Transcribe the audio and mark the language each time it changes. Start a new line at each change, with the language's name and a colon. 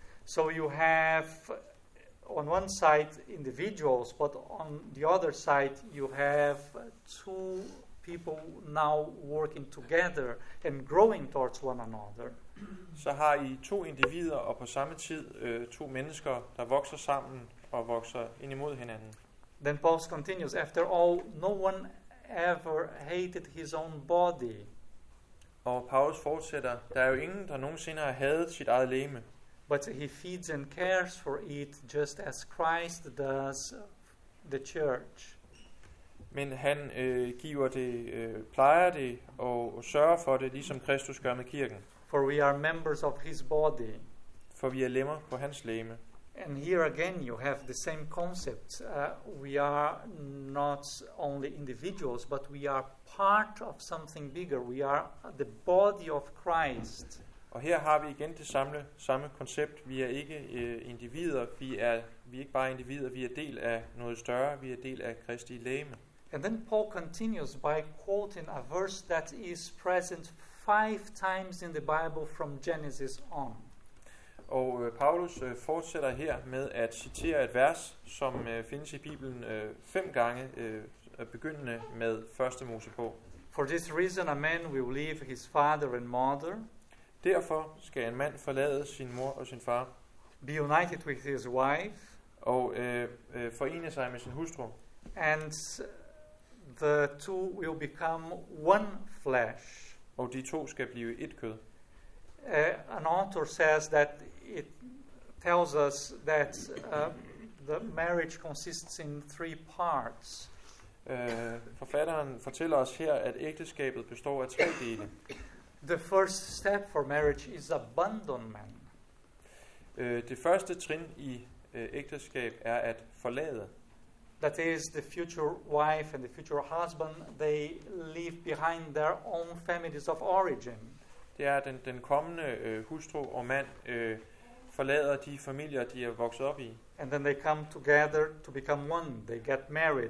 English: So you have on one side individuals, but on the other side you have two people now working together and growing towards one another.
Danish: Så har I to individer og på samme tid to mennesker, der vokser sammen og vokser ind imod hinanden.
English: Then Paul continues, after all, no one ever hated his own body.
Danish: Og Paulus fortsætter, der er jo ingen, der nogensinde har hadet sit eget legeme.
English: But he feeds and cares for it just as Christ does the church.
Danish: Men han giver det, plejer det og sørger for det, ligesom Kristus gør med kirken.
English: For we are members of his body.
Danish: For vi er lemmer på hans legeme.
English: And here again you have the same concept. We are not only individuals, but we are part of something bigger. We are the body of Christ.
Danish: Og her har vi igen det samme koncept. Vi er ikke individer. Vi er ikke bare individer. Vi er del af noget større. Vi er del af Kristi legeme.
English: And then Paul continues by quoting a verse that is present 5 times in the Bible from Genesis on.
Danish: Og Paulus fortsætter her med at citere et vers, som findes i Bibelen 5 gange, begyndende med 1. Mosebog.
English: For this reason a man will leave his father and mother.
Danish: Derfor skal en mand forlade sin mor og sin far.
English: Be united with his wife.
Danish: Og forene sig med sin hustru.
English: And the two will become one flesh.
Danish: Og de to skal blive et kød.
English: An author says that it tells us that the marriage consists in 3 parts.
Danish: Forfatteren fortæller os her, at ægteskabet består af 3 dele.
English: The first step for marriage is abandonment.
Danish: Det første trin i ægteskab er at forlade.
English: That is, the future wife and the future husband, they leave behind their own families of origin.
Danish: Det er, at den kommende hustru og mand forlader de familier, de er vokset op i.
English: And then they come together to become one. They get married.